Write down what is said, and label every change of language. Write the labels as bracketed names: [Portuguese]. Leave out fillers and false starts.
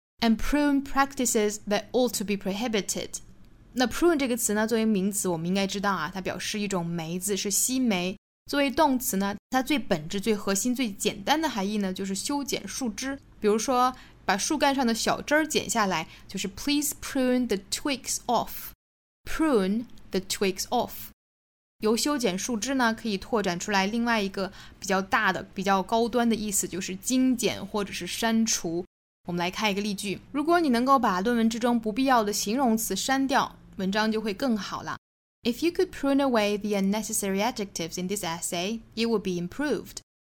[English] And prune practices that ought to be prohibited. [Chinese] 那 prune 这个词呢，作为名词我们应该知道啊，它表示一种梅子，是西梅。作为动词呢，它最本质、最核心、最简单的含义呢，就是修剪树枝。比如说把树干上的小枝剪下来，就是 [English] please prune the twigs off， [Chinese] prune the twigs off。由修剪树枝呢可以拓展出来另外一个比较大的比较高端的意思，就是精简或者是删除。我们来看一个例句，如果你能够把论文之中不必要的形容词删掉，文章就会更好了。 [English] If you could prune away the unnecessary adjectives in this essay, it would be improved。